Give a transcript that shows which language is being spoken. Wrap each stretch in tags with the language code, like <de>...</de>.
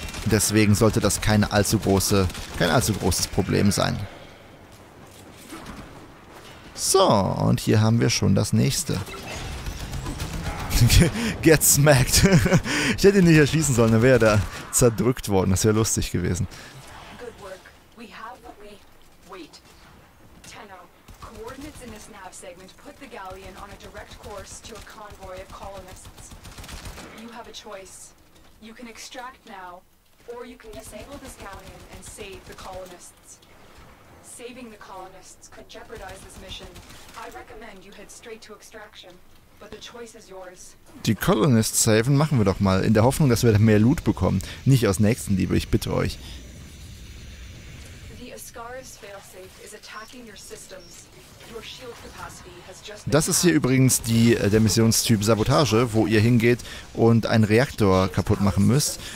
<de>Deswegen sollte das kein allzu großes Problem sein. So, und hier haben wir schon das nächste.</de> <en>Get smacked.</en> <de>Ich hätte ihn nicht erschießen sollen, dann wäre er da zerdrückt worden. Das wäre lustig gewesen.</de> <en>Good work. We have what we... Wait. Tenno, coordinates in this nav segment put the galleon on a direct course to a convoy of colonists. You have a choice. You can extract now. Or you can disable this galleon and save the colonists. Saving the colonists could jeopardize this mission. I recommend you head straight to extraction, but the choice is yours.</en> <de>Die Colonists saven machen wir doch mal, in der Hoffnung, dass wir mehr Loot bekommen. Nicht aus Nächstenliebe, ich bitte euch.</de> <en>The Ascaris failsafe is attacking your systems. Your shield capacity has just...</en> <de>Das ist hier übrigens der Missionstyp Sabotage, wo ihr hingeht und einen Reaktor kaputt machen müsst.</de>